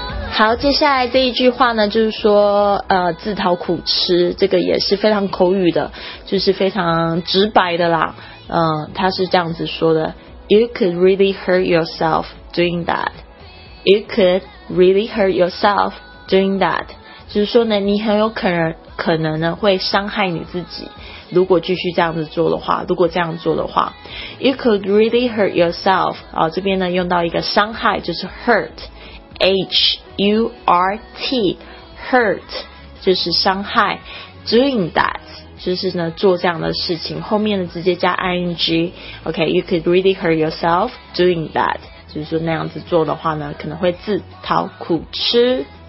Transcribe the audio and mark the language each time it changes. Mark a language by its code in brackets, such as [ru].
[zh] 好，接下来这一句话呢就是说自讨苦吃，这个也是非常口语的，就是非常直白的啦，他是这样子说的， [en] You could really hurt yourself doing that. You could really hurt yourself doing that. [zh] 就是说呢你很有可能呢会伤害你自己，如果继续这样子做的话，如果这样做的话， [en] You could really hurt yourself, [zh] 这边呢用到一个伤害，就是 hurt,H-U-R-T, hurt, 就是伤害， [en] doing that, [zh] 就是呢做这样的事情，后面呢直接加 ing, OK, [en] you could really hurt yourself doing that, [zh] 就是说那样子做的话呢可能会自讨苦吃。